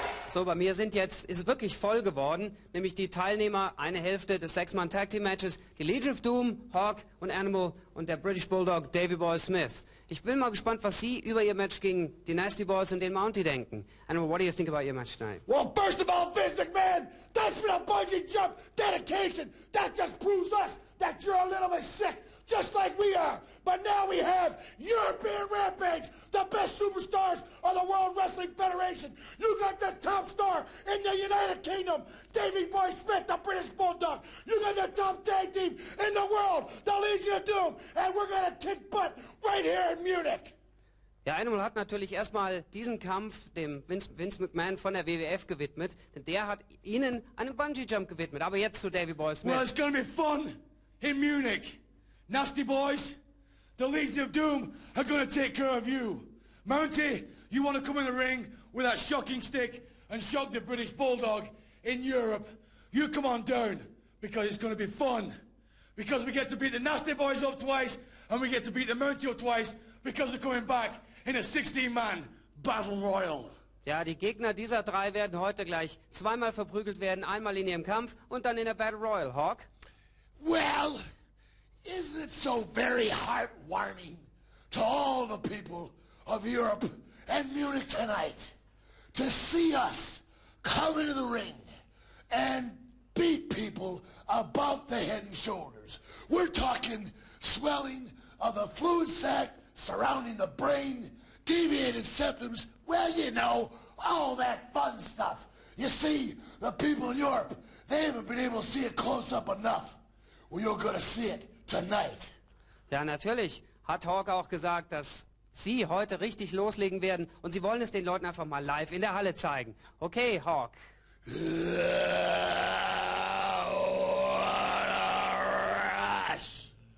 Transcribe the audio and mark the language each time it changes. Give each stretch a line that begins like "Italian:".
German: So, bei mir sind jetzt, ist wirklich voll geworden, nämlich die Teilnehmer, eine Hälfte des Sechs-Mann-Tag-Team-Matches, die Legion of Doom, Hawk und Animal und der British Bulldog Davey Boy Smith. Ich bin mal gespannt, was Sie über Ihr Match gegen die Nasty Boys und den Mountie denken.
English: Animal, what do you think about your match tonight? Well, first of all, Vince McMahon, thanks for the bungee jump dedication. That just proves us that you're a little bit sick, just like we are. But now we have European Rampage, the best superstars of the World Wrestling Federation. You got the top star in the United Kingdom, Davey Boy Smith, the British Bulldog. You got the top tag team in the world, the Legion of Doom. And we're going to kick butt right here in Munich.
German: Ja, Animal hat natürlich erstmal diesen Kampf dem Vince McMahon von der WWF gewidmet. Denn der hat Ihnen einen Bungee-Jump gewidmet. Aber jetzt zu Davey Boy Smith.
English: Well, it's going to be fun in Munich. Nasty Boys, the Legion of Doom are going to take care of you. Mountie, you want to come in the ring with that shocking stick and shock the British Bulldog in Europe. You come on down, because it's going to be fun. Because we get to beat the Nasty Boys up twice, and we get to beat the Mountie up twice, because they're coming back in a 16-man battle royal.
German: Ja, die Gegner dieser drei werden heute gleich zweimal verprügelt werden, einmal in ihrem Kampf und dann in der battle royal.
English: Hawk? Well, isn't it so very heartwarming to all the people of Europe and Munich tonight to see us come into the ring and beat people about the head and shoulders? We're talking swelling of the fluid sac surrounding the brain, deviated septums, well, you know, all that fun stuff. You see, the people in Europe, they haven't been able to see it close up enough. Well, you're gonna see it tonight.
German: Ja, natürlich hat Hawk auch gesagt, dass Sie heute richtig loslegen werden und Sie wollen es den Leuten einfach mal live in der Halle zeigen.
English: Okay, Hawk. What a rush.